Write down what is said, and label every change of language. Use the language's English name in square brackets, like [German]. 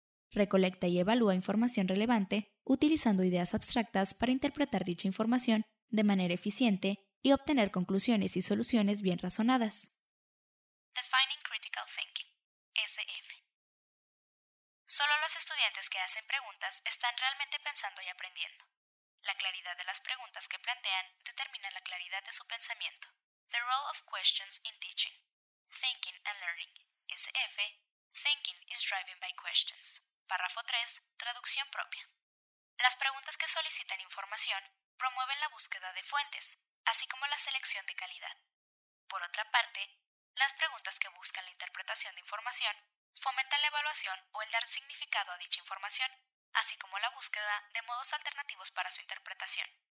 [Spanish] Recolecta y evalúa información relevante utilizando ideas abstractas para interpretar dicha información de manera eficiente y obtener conclusiones y soluciones bien razonadas. [English] Defining Critical Thinking, SF. [Spanish] Solo los estudiantes que hacen preguntas están realmente pensando y aprendiendo. La claridad de las preguntas que plantean determina la claridad de su pensamiento. [English] The role of questions in teaching. Thinking and learning. SF. Thinking is driven by questions. [Spanish] Párrafo 3. Traducción propia. Las preguntas que solicitan información promueven la búsqueda de fuentes, así como la selección de calidad. Por otra parte, las preguntas que buscan la interpretación de información fomentan la evaluación o el dar significado a dicha información, así como la búsqueda de modos alternativos para su interpretación.